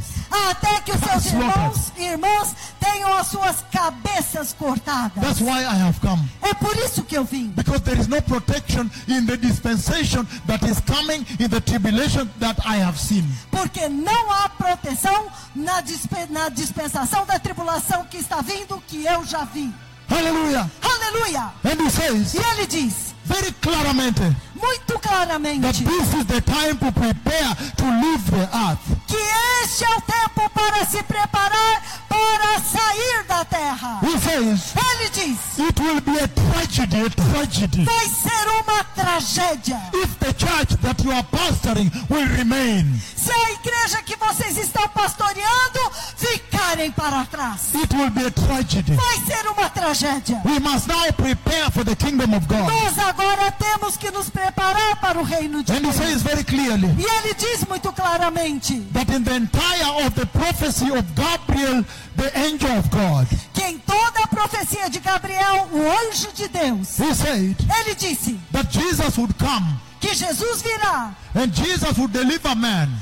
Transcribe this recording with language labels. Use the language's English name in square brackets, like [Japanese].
[Portuguese] até que os seus irmãos e irmãs tenham as suas cabeças cortadas. [English] That's why I have come. [Portuguese] É por isso que eu vim. [English] Because there is no protection in the dispensation that is coming in the tribulation that I have seen. [Portuguese] Porque não há proteção na dispensação da tribulação que está vindo, que eu já vi. Aleluia. Aleluia. [English] And he says, [Portuguese] e ele diz, [English] very claramente, [Portuguese] muito claramente, [English] that this is the time to prepare to leave the earth. [Portuguese] Que este é o tempo para se preparar para sair da terra. [English] He says, [Portuguese] ele diz, [English] it will be a tragedy. [Portuguese] Vai ser uma tragédia. [English] If the church that you are pastoring will remain. [Portuguese] Se a igreja que vocês estão pastoreando ficarem para trás. [English] It will be a tragedy. [Portuguese] Vai ser uma tragédia. [English] We must now prepare for the kingdom of God. [Portuguese] Nós agora temos que nos preparar para o reino de Deus. [English] And he says very clearly, [Portuguese] e ele diz muito claramente, [English] that in the entire of the prophecy of Gabriel, the angel of God, [Portuguese] que em toda a profecia de Gabriel, o anjo de Deus, [English] he said, [Portuguese] ele disse, [English] that Jesus would come, [Portuguese] que Jesus virá, [English] and Jesus would deliver man,